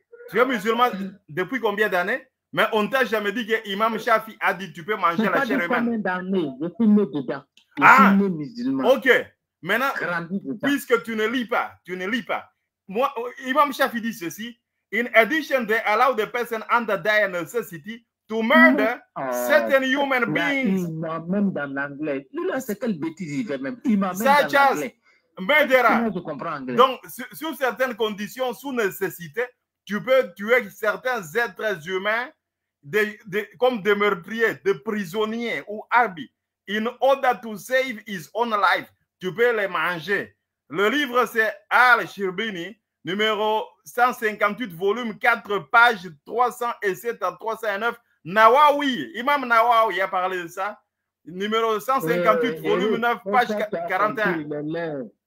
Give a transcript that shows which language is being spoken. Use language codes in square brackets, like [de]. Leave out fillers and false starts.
[fr] Tu es musulman depuis combien d'années? Mais on t'a jamais dit que Imam Chafi a dit tu peux manger la chair humaine. Combien d'années? Je suis né dedans. Je suis né musulman. Ok. Maintenant, puisque tu ne lis pas. Moi, Imam Shafi dit ceci. [en] In addition, they allow the person under dire necessity to murder certain human beings. [fr] Même dans l'anglais. Lui, là, c'est quelle bêtise il fait même. [en] Such as murderer. [fr] Je comprends l'anglais. Donc, sous certaines conditions, sous nécessité, tu peux tuer certains êtres humains comme des meurtriers, des prisonniers ou arbitres. [en] In order to save his own life, [fr] tu peux les manger. Le livre, c'est Al-Shirbini, numéro 158, volume 4, page 307 à 309. Nawawi, Imam Nawawi a parlé de ça. Numéro 158, volume 9, page 41.